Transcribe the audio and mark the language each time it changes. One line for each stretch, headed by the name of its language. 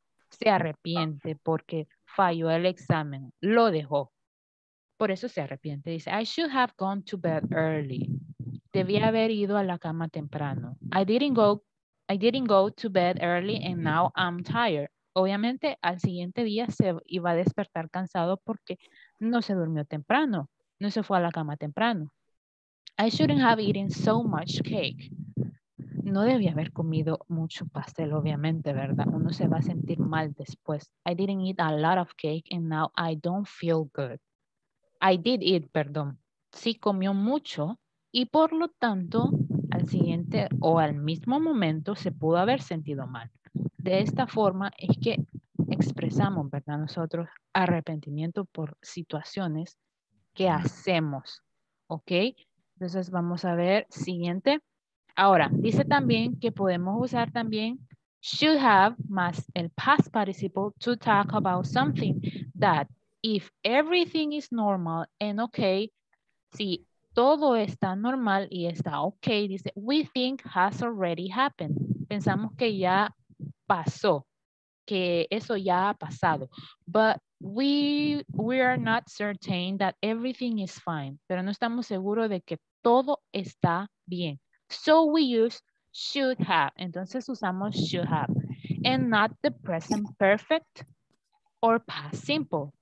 Spanish: se arrepiente porque falló el examen, lo dejó. Por eso se arrepiente. Dice,
English: I should have gone to bed early.
Spanish: Debí haber ido a la cama temprano.
English: I didn't go to bed early and now I'm tired.
Spanish: Obviamente, al siguiente día se iba a despertar cansado porque no se durmió temprano. No se fue a la cama temprano.
English: I shouldn't have eaten so much cake.
Spanish: No debía haber comido mucho pastel, obviamente, ¿verdad? Uno se va a sentir mal después.
English: I didn't eat a lot of cake and now I don't feel good. I did eat,
Spanish: perdón. Sí comió mucho y por lo tanto, al siguiente o al mismo momento se pudo haber sentido mal. De esta forma es que expresamos, ¿verdad? Nosotros arrepentimiento por situaciones que hacemos, ¿ok? Entonces vamos a ver, siguiente. Ahora, dice también que podemos usar también should have más el
English: past participle to talk about something that if everything is normal and okay,
Spanish: si todo está normal y está okay, dice
English: we think has already happened.
Spanish: Pensamos que ya pasó, que eso ya ha pasado.
English: But we are not certain that everything is fine.
Spanish: Pero no estamos seguros de que todo está bien.
English: So we use should have.
Spanish: Entonces usamos
English: should have. And not the present perfect or past simple.